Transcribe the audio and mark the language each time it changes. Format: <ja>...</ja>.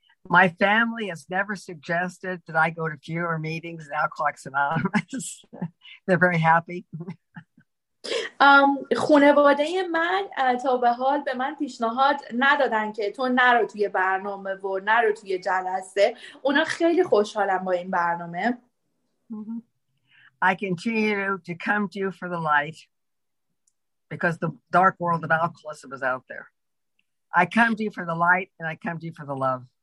<en>My family has never suggested that I go to fewer meetings than Alcoholics Anonymous. They're very happy.</en> <fa>خانواده من تا به حال به من پیشنهاد ندادن که تو نرو توی برنامه و نرو توی جلسه. اونا خیلی خوشحالن با این برنامه.</fa> <en>I continue to come to you for the light because the dark world of alcoholism is out there. I come to you for the light and I come to you for the love.</en>